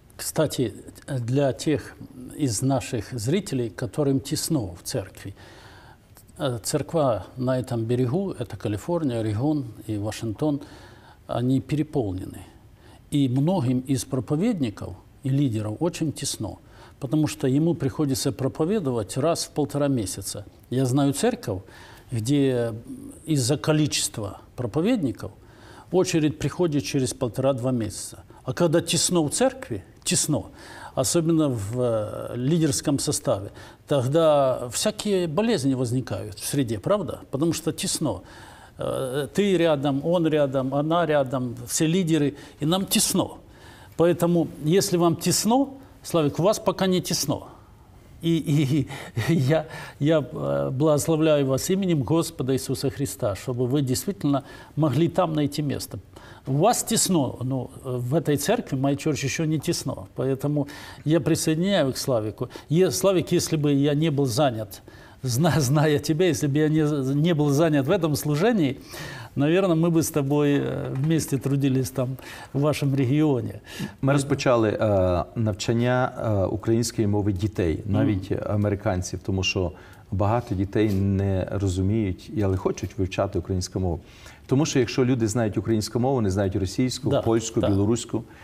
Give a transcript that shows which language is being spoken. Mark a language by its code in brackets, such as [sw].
[uk] Кстати, для тих із наших зрителей, яким тісно в церкві, церква на цьому берегу, це Каліфорнія, Орегон і Вашингтон, вони переповнені. І многим із проповідників і лідерів дуже тісно, тому що йому приходиться проповідувати раз в півтора місяця. [ru] Я знаю церкву, где из-за количества проповедников очередь приходит через полтора-два месяца. А когда тесно в церкви, тесно, особенно в лидерском составе, тогда всякие болезни возникают в среде, правда? Потому что тесно. Ты рядом, он рядом, она рядом, все лидеры, и нам тесно. Поэтому, если вам тесно, Славик, у вас пока не тесно. И я благословляю вас именем Господа Иисуса Христа, чтобы вы действительно могли там найти место. У вас тесно, но в этой церкви, моя черчь, еще не тесно. Поэтому я присоединяю к Славику. Славик, если бы я не был занят, зная тебя, если бы я не был занят в этом служении, наверное, мы бы с тобой вместе трудились там, в вашем регионе. Мы начали [uk] навчання української мови дітей, навіть американців, тому що багато дітей не розуміють, але хочуть вивчати українську мову. Тому що якщо люди знають українську мову, вони знають російську, да, польську, да, білоруську.